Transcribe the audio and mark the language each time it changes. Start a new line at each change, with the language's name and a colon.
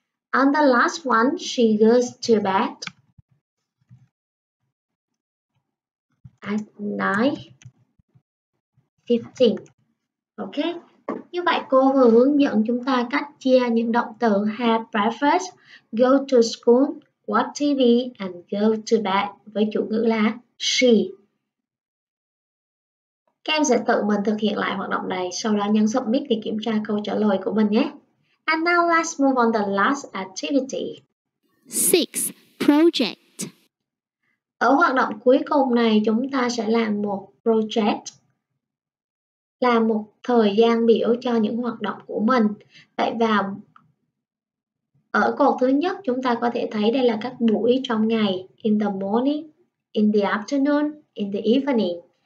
English: And the last one, she goes to bed at 9:15. Okay.
Vietnamese: Như vậy cô vừa hướng dẫn chúng ta cách chia những động từ
English: have breakfast, go to school, watch TV and go to bed
Vietnamese: với chủ ngữ là she. Các em sẽ tự mình thực hiện lại hoạt động này, sau đó nhấn submit để kiểm tra câu trả lời của mình nhé.
English: And now let's move on to the last activity. 6. Project.
Vietnamese: Ở hoạt động cuối cùng này chúng ta sẽ làm một project, là một thời gian biểu cho những hoạt động của mình. Vậy vào ở cột thứ nhất chúng ta có thể thấy đây là các buổi trong ngày,
English: in the morning, in the afternoon, in the evening.